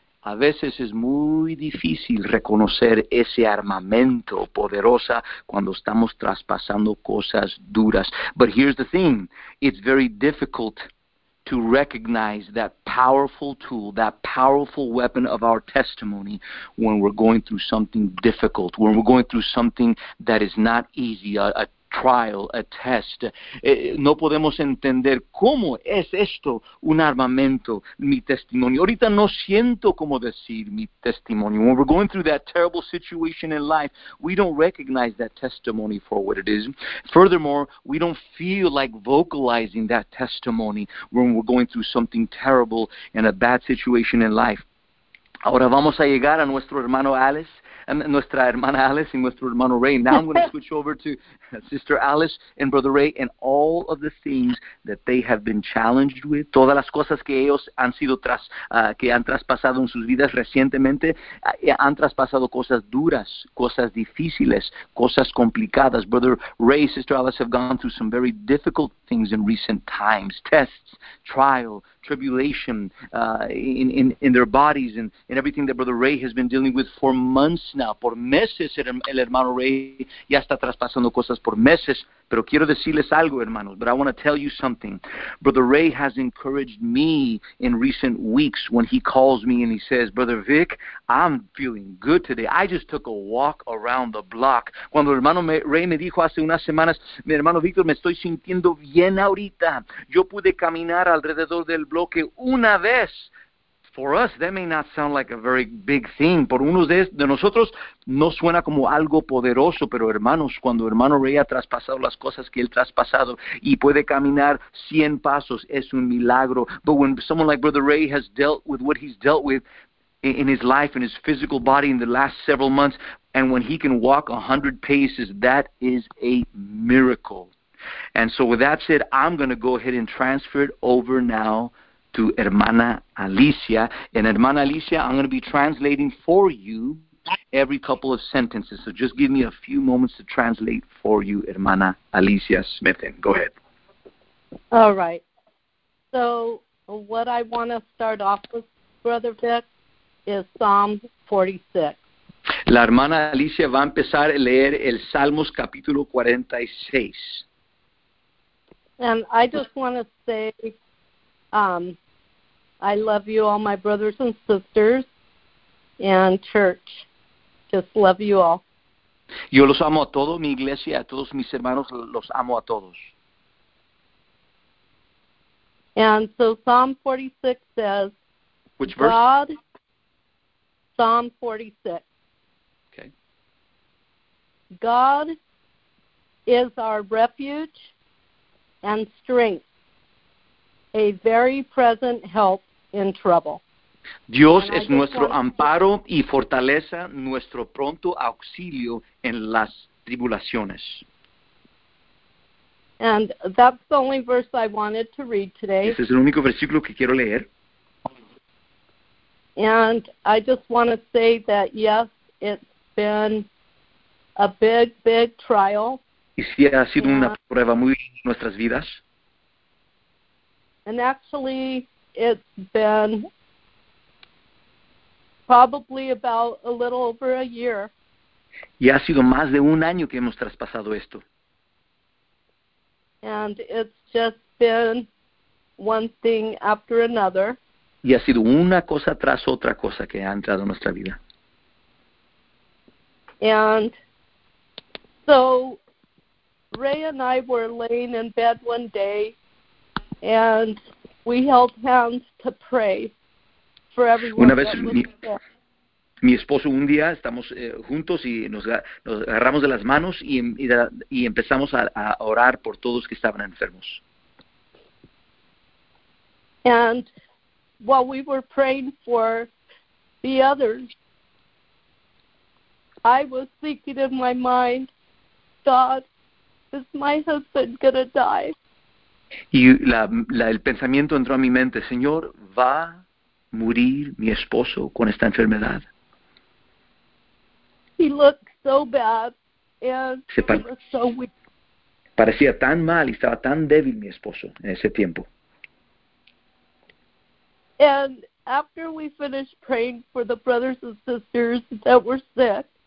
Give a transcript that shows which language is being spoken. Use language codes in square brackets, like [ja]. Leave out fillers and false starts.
[es] A veces es muy difícil reconocer ese armamento poderosa cuando estamos traspasando cosas duras. [en] But here's the thing. It's very difficult to recognize that powerful tool, that powerful weapon of our testimony when we're going through something difficult, when we're going through something that is not easy, a trial, a test. [es] No podemos entender cómo es esto un armamento, mi testimonio. Ahorita no siento cómo decir mi testimonio. [en] When we're going through that terrible situation in life, we don't recognize that testimony for what it is. Furthermore, we don't feel like vocalizing that testimony when we're going through something terrible and a bad situation in life. [es] Ahora vamos a llegar a nuestro hermano Alice, nuestra hermana Alice y nuestro hermano Ray. [en] Now I'm going to switch over to Sister Alice and Brother Ray and all of the things that they have been challenged with. [es] Todas las cosas que ellos han sido que han traspasado en sus vidas recientemente, han traspasado cosas duras, cosas difíciles, cosas complicadas. [en] Brother Ray, Sister Alice have gone through some very difficult things in recent times, tests, trial, tribulation in their bodies and everything that Brother Ray has been dealing with for months now. [es] Por meses el hermano Ray ya está traspasando cosas por meses. Pero quiero decirles algo, hermanos. [en] But I want to tell you something. Brother Ray has encouraged me in recent weeks when he calls me and he says, Brother Vic, I'm feeling good today. I just took a walk around the block. [es] Cuando el hermano Ray me dijo hace unas semanas, mi hermano Víctor, me estoy sintiendo bien ahorita. Yo pude caminar alrededor del bloque una vez. [en] For us, that may not sound like a very big thing. [es] Por unos de nosotros, no suena como algo poderoso, pero hermanos, cuando hermano Ray ha traspasado las cosas que él traspasado y puede caminar 100 pasos, es un milagro. [en] But when someone like Brother Ray has dealt with what he's dealt with in his life, in his physical body in the last several months, and when he can walk 100 paces, that is a miracle. And so with that said, I'm going to go ahead and transfer it over now to hermana Alicia. And hermana Alicia, I'm going to be translating for you every couple of sentences. So just give me a few moments to translate for you, hermana Alicia Smithen. Go ahead. All right. So what I want to start off with, Brother Vic, is Psalm 46. [es] La hermana Alicia va a empezar a leer el Salmos capítulo 46. [en] And I just want to say, I love you all, my brothers and sisters, and church. Just love you all. [es] Yo los amo a todos, mi iglesia, a todos mis hermanos, los amo a todos. [en] And so Psalm 46 says, which verse? God, Psalm 46. Okay. God is our refuge and strength, a very present help in trouble. [es] Dios es nuestro amparo y fortaleza, nuestro pronto auxilio en las tribulaciones. [en] And that's the only verse I wanted to read today. [es] Ese es el único versículo que quiero leer. [en] And I just want to say that, yes, it's been a big, big trial. [es] Y sí, ha sido una prueba muy en nuestras vidas. [en] And actually, it's been probably about a little over a year. [es] Y ha sido más de un año que hemos traspasado esto. [en] And it's just been one thing after another. [es] Y ha sido una cosa tras otra cosa que ha entrado en nuestra vida. [en] And so Ray and I were laying in bed one day, and we held hands to pray for everyone. [es] Una vez mi esposo un día estamos juntos y nos agarramos de las manos y empezamos a orar por todos que estaban enfermos. [en] And while we were praying for the others, I was thinking in my mind, God, is my husband gonna die? [es] Y el pensamiento entró a mi mente, Señor, ¿va a morir mi esposo con esta enfermedad? [en] He looked so bad and he was so weak. [es] Parecía tan mal y estaba tan débil mi esposo en ese tiempo. [en] And after we finished praying for the brothers and sisters that were sick,